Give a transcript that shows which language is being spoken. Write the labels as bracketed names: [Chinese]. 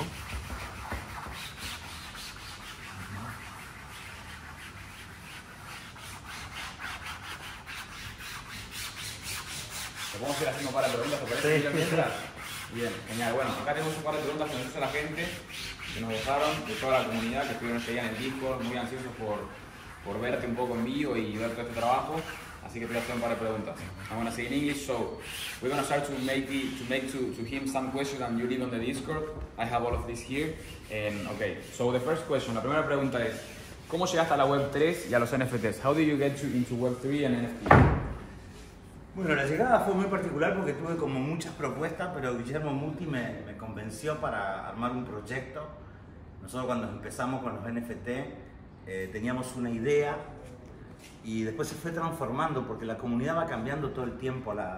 [Spanish] ¿Te podemos ir haciendo un par de preguntas? ¿Por qué? Sí. Bien, genial. Bueno, acá tenemos un par de preguntas que nos hizo la gente, que nos dejaron, de toda la comunidad, que estuvieron este día en el Discord, muy ansiosos por verte un poco en vivo y ver todo este trabajo. Así que te voy a hacer un par de preguntas. [English] I'm gonna say in English, so we're gonna start to make to him some questions and you leave on the Discord. I have all of this here. And okay, so the first question, [Spanish] la primera pregunta es, ¿cómo llegaste a la Web 3 y a los NFTs? [English] How did you get into Web 3 and NFTs? [Spanish] Bueno, la llegada fue muy particular porque tuve como muchas propuestas, pero Guillermo Muti me convenció para armar un proyecto. Nosotros cuando empezamos con los NFT teníamos una idea. Y después se fue transformando porque la comunidad va cambiando todo el tiempo.